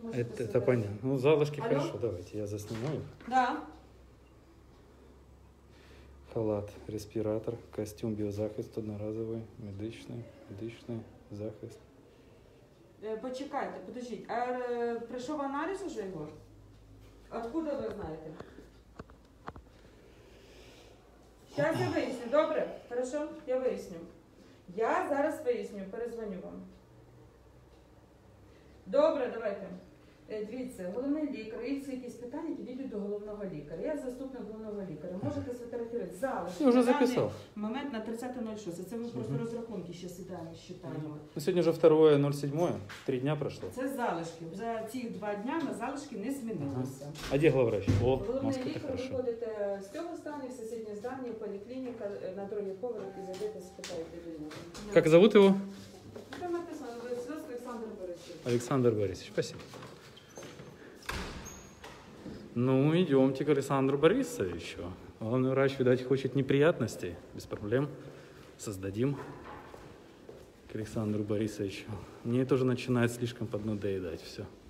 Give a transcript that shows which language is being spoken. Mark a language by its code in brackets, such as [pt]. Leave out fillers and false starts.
[ru] Это понятно. Ну, залишки, хорошо, давайте, я заснимаю. Да. Халат, респиратор, костюм биозахист одноразовый, медичный, захист. [uk] Почекайте, подождіть. А прийшов аналіз уже, Ігор? Откуда ви знаєте? Зараз я виясню. Добре? Хорошо? Я виясню. Я зараз виясню, перезвоню вам. Добре, давайте. Дивіться, головний лікар, є якісь питання, які йдуть до головного лікаря. Я заступник головного лікаря. Можете зафотографувати залиш. Я вже записав. Момент на 30.06. Це ми просто розрахунки ще сідаємо, считаємо. Ну, сьогодні вже 2.07. Три дні пройшло. Це залишки. За ці два дня на залишки не змінилися. А де главврач? О, головний лікар, виходите з цього стану, в сусіднє здання, поліклініка, на другий поверх, і зайдете, спитаєте людину. Як звати його? Це написано, ви зараз Олександр Борисович. Олександр Борисович, спасибо. [ru] Ну, идемте к Александру Борисовичу. Главный врач, видать, хочет неприятностей. Без проблем. Создадим к Александру Борисовичу. Мне тоже начинает слишком поднадоедать все.